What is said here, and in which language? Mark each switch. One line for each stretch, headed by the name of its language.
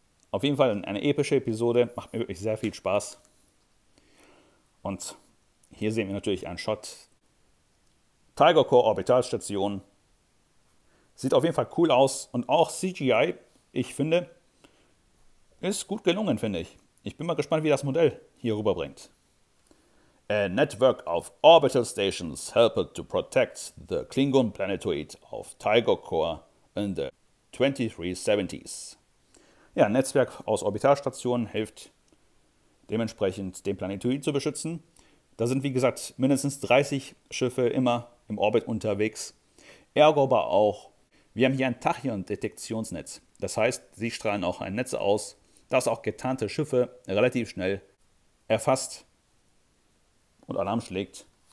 German: Auf jeden Fall eine epische Episode, macht mir wirklich sehr viel Spaß. Und hier sehen wir natürlich einen Shot. Tiger Core Orbitalstation. Sieht auf jeden Fall cool aus und auch CGI, ich finde, ist gut gelungen, finde ich. Ich bin mal gespannt, wie das Modell hier rüberbringt.
English: A network of orbital stations helped to protect the Klingon planetoid of Tiger Core in the 2370s.
German: Ja, ein Netzwerk aus Orbitalstationen hilft dementsprechend, den Planetoid zu beschützen. Da sind, wie gesagt, mindestens 30 Schiffe immer im Orbit unterwegs. Ergo aber auch, wir haben hier ein Tachyon-Detektionsnetz. Das heißt, sie strahlen auch ein Netz aus, das auch getarnte Schiffe relativ schnell erfasst und Alarm schlägt.